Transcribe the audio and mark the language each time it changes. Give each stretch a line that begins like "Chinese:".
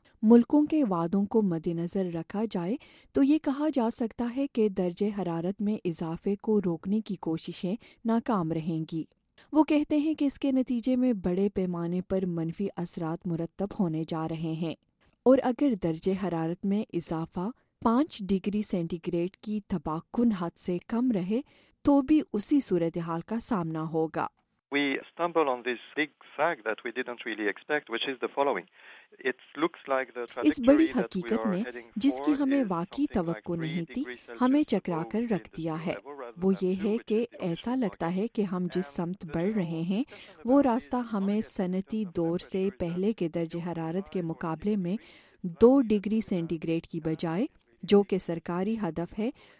Urdu: ملکوں کے وعدوں کو مد نظر رکھا جائے تو یہ کہا جا سکتا ہے کہ درجہ حرارت میں اضافے کو روکنے کی کوششیں ناکام رہیں گی۔ وہ کہتے ہیں کہ اس کے نتیجے میں بڑے پیمانے پر منفی اثرات مرتب ہونے جا رہے ہیں، اور اگر درجہ حرارت میں اضافہ 5 ڈگری سینٹی گریڈ کی تباہ کن حد سے کم رہے تو بھی اسی صورتحال کا سامنا ہوگا۔
English: We stumble on this big fact that we didn't really expect, which is the following.
Urdu: اس بڑی حقیقت نے جس کی ہمیں واقعی توقع نہیں تھی ہمیں چکرا کر رکھ دیا ہے، وہ یہ ہے کہ ایسا لگتا ہے کہ ہم جس سمت بڑھ رہے ہیں وہ راستہ ہمیں صنعتی دور سے پہلے کے درجہ حرارت کے مقابلے میں 2 ڈگری سینٹی گریڈ کی بجائے، جو کہ سرکاری ہدف ہے،